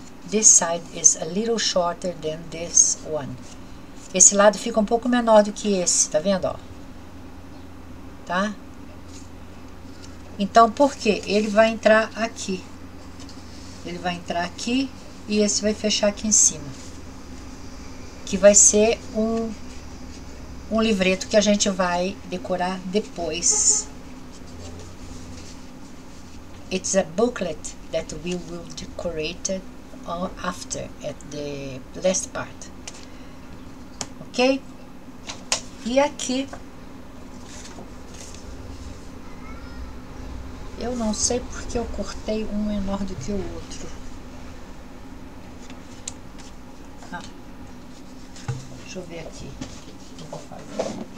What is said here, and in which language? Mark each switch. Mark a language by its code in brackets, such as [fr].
[en] This side is a little shorter than this one. [pt] Esse lado fica um pouco menor do que esse, tá vendo, ó? Tá? Então, por quê? Ele vai entrar aqui. Ele vai entrar aqui e esse vai fechar aqui em cima. Que vai ser um livreto que a gente vai decorar depois. [en] It's a booklet that we will decorate after, at the last part. Ok? [pt] E aqui, eu não sei porque eu cortei um menor do que o outro. Ah, deixa eu ver aqui o que eu vou fazer.